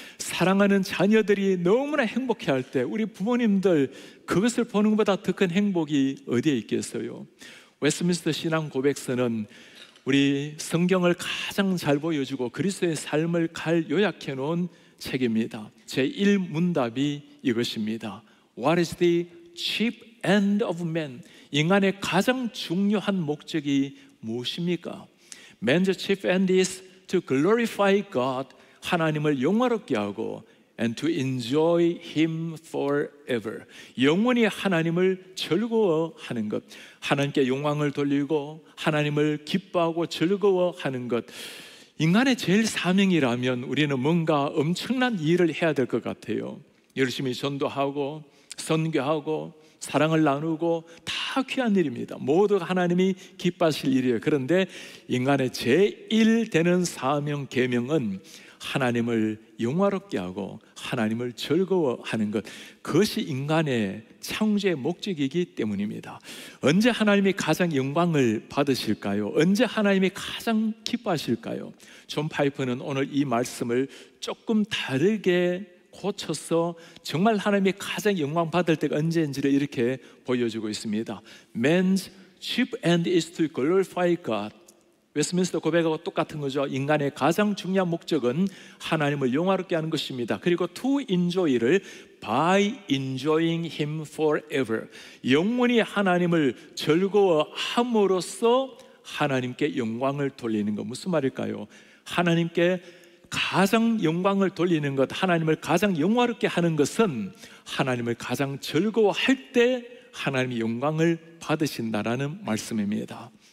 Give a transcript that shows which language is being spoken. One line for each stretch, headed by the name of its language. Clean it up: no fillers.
Korean: 사랑하는 자녀들이 너무나 행복해할 때 우리 부모님들 그것을 보는 것보다 더 큰 행복이 어디에 있겠어요? 웨스트민스터 신앙 고백서는 우리 성경을 가장 잘 보여주고 그리스도의 삶을 잘 요약해놓은 책입니다. 제1문답이 이것입니다.
English: What is the chief end of man?
Korean: 인간의 가장 중요한 목적이 무엇입니까?
English: Man's chief end is to glorify God.
Korean: 하나님을 영화롭게 하고
English: and to enjoy him forever.
Korean: 영원히 하나님을 즐거워하는 것, 하나님께 영광을 돌리고 하나님을 기뻐하고 즐거워하는 것, 인간의 제일 사명이라면 우리는 뭔가 엄청난 일을 해야 될 것 같아요. 열심히 전도하고 선교하고 사랑을 나누고 다 귀한 일입니다. 모두가 하나님이 기뻐하실 일이에요. 그런데 인간의 제일 되는 사명, 계명은 하나님을 영화롭게 하고 하나님을 즐거워하는 것, 그것이 인간의 창조의 목적이기 때문입니다. 언제 하나님이 가장 영광을 받으실까요? 언제 하나님이 가장 기뻐하실까요? 존 파이퍼는 오늘 이 말씀을 조금 다르게 고쳐서 정말 하나님이 가장 영광 받을 때가 언제인지를 이렇게 보여주고 있습니다.
English: Man's chief end is to glorify God.
Korean: 웨스민스터 고백하고 똑같은 거죠. 인간의 가장 중요한 목적은 하나님을 영화롭게 하는 것입니다. 그리고
English: to enjoy를 by enjoying him forever.
Korean: 영원히 하나님을 즐거워함으로써 하나님께 영광을 돌리는 것. 무슨 말일까요? 하나님께 가장 영광을 돌리는 것, 하나님을 가장 영화롭게 하는 것은 하나님을 가장 즐거워할 때 하나님이 영광을 받으신다라는 말씀입니다.